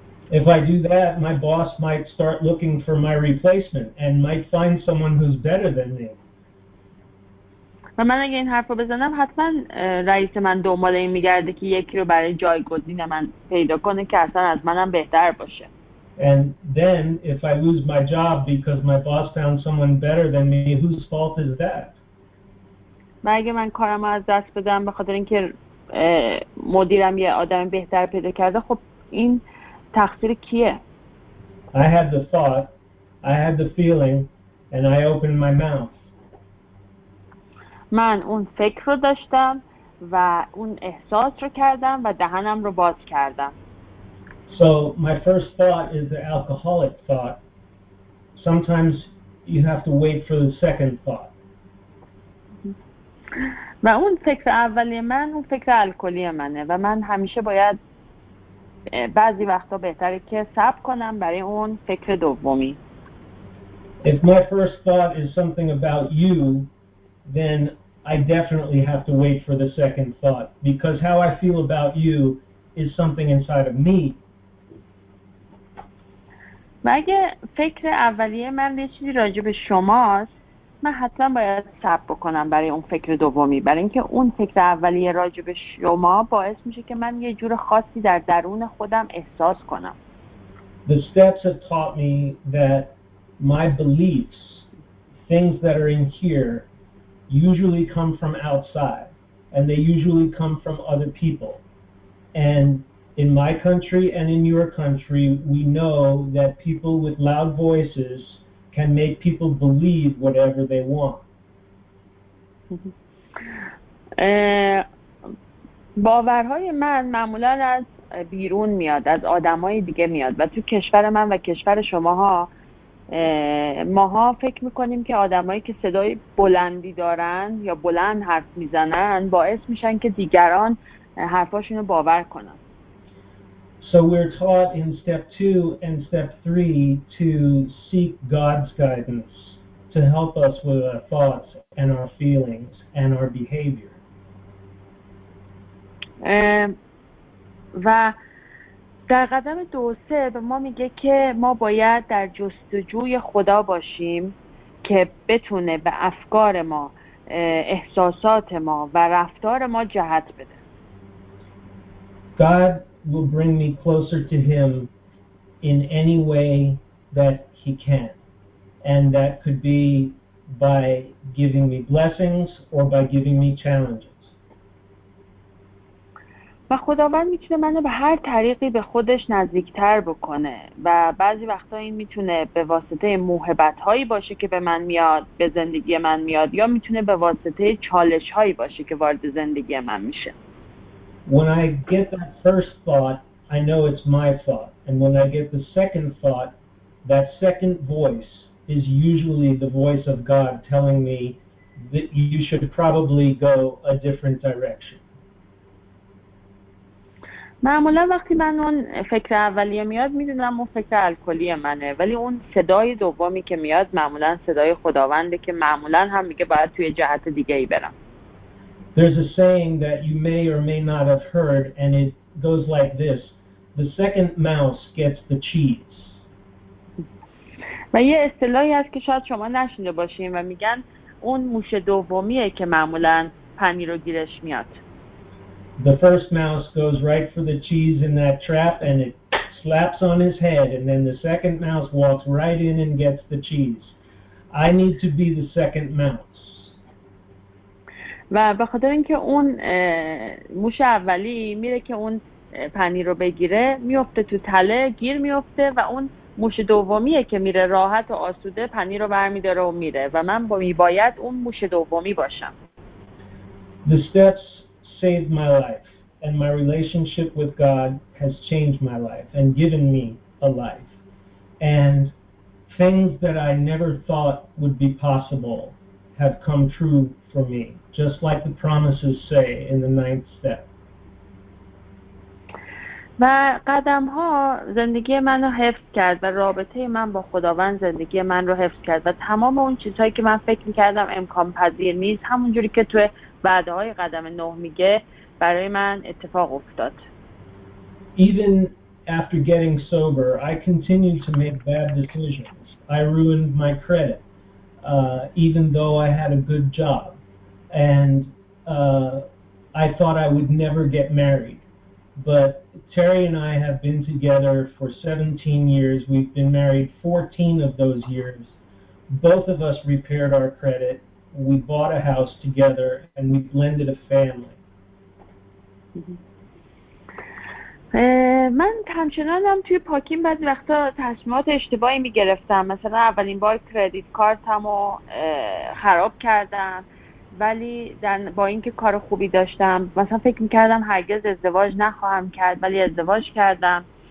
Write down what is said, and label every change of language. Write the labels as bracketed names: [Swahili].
[English] If I do that, my boss might start looking for my replacement and might find someone who's better than me. [Persian] و من اگه این حرف رو بزنم حتما رئیس من دنبال این میگرده که یکی رو برای جایگزین من پیدا کنه که اصلا از منم بهتر باشه. [English] And then if I lose my job because my boss found someone better than me, whose fault is that? [Persian] و اگه من کارم رو از دست بدم به خاطر اینکه مدیرم یه آدم بهتر پیدا کرده، خب این تقصیر کیه؟ [English] I had the thought, I had the feeling, and I opened my mouth. [Persian] من اون فکر رو داشتم و اون احساس رو کردم و دهنم رو باز کردم. [English] So my first thought is the alcoholic thought. Sometimes you have to wait for the second thought. [Persian] و اون فکر اولی من اون فکر الکلی منه و من همیشه باید بعضی وقتا بهتره که صبر کنم برای اون فکر دومی. [English] If my first thought is something about you, then I definitely have to wait for the second thought because how I feel about you is something inside of me. [Persian] مگه فکر اولیه من یه چیزی راجع به شماست، من حتما باید صبر بکنم برای اون فکر دومی، برای اینکه اون فکر اولیه راجع به شما باعث میشه که من یه جور خاصی در درون خودم احساس کنم. [English] The steps have taught me that my beliefs, things that are in here, usually come from outside, and they usually come from other people. And in my country and in your country, we know that people with loud voices can make people believe whatever they want. [Persian] باورهای من معمولاً از بیرون میاد، از آدمای دیگه میاد، و تو کشور من و کشور شماها ماها فکر میکنیم که آدمایی که صدای بلندی دارن یا بلند حرف میزنن باعث میشن که دیگران حرفاشون رو باور کنن. [English] So we're taught in step 2 and step 3 to seek God's guidance to help us with our thoughts and our feelings and our behavior. [Persian] و در قدم دو سه به ما میگه که ما باید در جستجوی خدا باشیم که بتونه به افکار ما، احساسات ما و رفتار ما جهت بده. [English] God will bring me closer to him in any way that he can. And that could be by giving me blessings or by giving me challenges. [Persian] و خداوند میتونه منو به هر طریقی به خودش نزدیکتر بکنه و بعضی وقتا این میتونه به واسطه موهبت هایی باشه که به من میاد، به زندگی من میاد، یا میتونه به واسطه چالش هایی باشه که وارد زندگی من میشه. [English] When I get that first thought, I know it's my thought. And when I get the second thought, that second voice is usually the voice of God telling me that you should probably go a different direction. [Persian] معمولا وقتی من اون فکر اولیه میاد میدونم اون فکر الکلی منه، ولی اون صدای دومی که میاد معمولا صدای خداونده که معمولا هم میگه باید توی جهت دیگه ای برم. [English] There's a saying that you may or may not have heard and it goes like this: the second mouse gets the cheese. [Persian] و یه اصطلاحی هست که شاید شما نشنیده باشین و میگن اون موش دومیه که معمولا پنیر رو گیرش میاد. [English] The first mouse goes right for the cheese in that trap and it slaps on his head, and then the second mouse walks right in and gets the cheese. I need to be the second mouse. [Persian] و به خاطر اینکه اون موش اولی میره که اون پنیر رو بگیره، میفته تو تله، گیر میفته و اون موش دومیه که میره راحت و آسوده پنیر رو برمی‌داره و میره و من باید اون موش دومی باشم. [English] The steps saved my life, and my relationship with God has changed my life and given me a life. And things that I never thought would be possible have come true for me, just like the promises say in the ninth step. [Persian] و قدم ها زندگی من رو حفظ کرد و رابطه من با خداوند زندگی من رو حفظ کرد و تمام اون چیزهایی که من فکر میکردم امکان پذیر نیست، همون جوری که توی وعده های قدم نه میگه، برای من اتفاق افتاد. [English] Even after getting sober, I continued to make bad decisions. I ruined my credit, even though I had a good job. And I thought I would never get married. But Terry and I have been together for 17 years. We've been married 14 of those years. Both of us repaired our credit. We bought a house together, and we blended a family. [Persian] من همچنانم توی پاکین بعضی وقتا تصمیمات اشتباهی میگرفتم. مثلا اولین بار کردیت کارتم رو خراب کردم، ولی با اینکه کار خوبی داشتم، مثلا فکر میکردم هرگز ازدواج نخواهم کرد، ولی ازدواج کردم.